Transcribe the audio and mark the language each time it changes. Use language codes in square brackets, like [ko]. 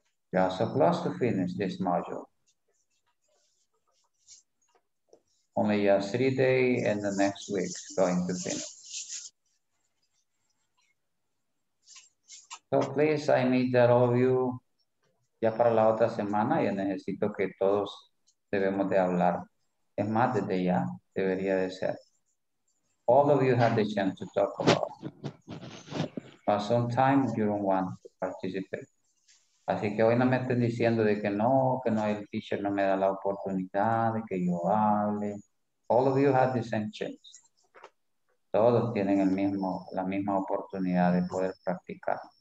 [en] We are so close to finish this module. Only just 3 days and the next week is going to finish. So please, I need that all of you. [es] Ya para la otra semana ya necesito que todos debemos de hablar. Es más, desde ya debería de ser. [en] All of you had the chance to talk about. But sometimes you don't want to participate. [es] Así que hoy no me estén diciendo de que no, el teacher no me da la oportunidad de que yo hable. [en] All of you had the same chance. [es] Todos tienen el mismo, la misma oportunidad de poder practicar.